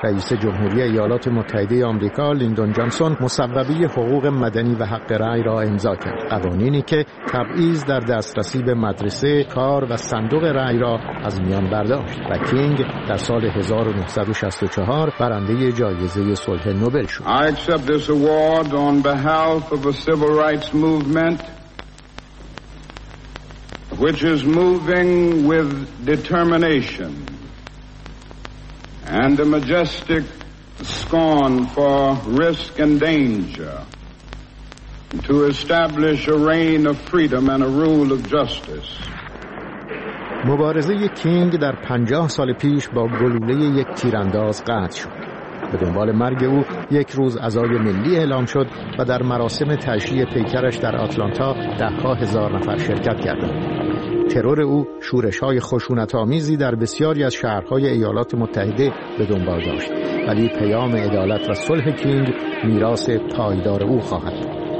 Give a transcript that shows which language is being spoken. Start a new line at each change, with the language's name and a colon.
Persian: رئیس جمهوری ایالات متحده آمریکا لیندون جانسون مصوبه حقوق مدنی و حق رأی را امضا کرد. قوانینی که تبعیض در دسترسی به مدرسه، کار و صندوق رأی را از میان برداشت. و کینگ در سال 1964 برنده جایزه صلح نوبل شد.
English: I accept this award on behalf of the civil rights movement which is moving with determination and a majestic scorn for risk and danger to establish a reign of freedom and a rule of justice.
Persian: مبارزه کینگ در 50 سال پیش با گلوله یک تیرانداز قطع شد. به دنبال مرگ او یک روز عزای ملی اعلام شد و در مراسم تشییع پیکرش در آتلانتا 10,000 نفر شرکت کردند. ترور او شورش‌های خشونت‌آمیزی در بسیاری از شهرهای ایالات متحده به دنبال داشت، ولی پیام عدالت و صلح کینگ میراث پایدار او خواهد بود.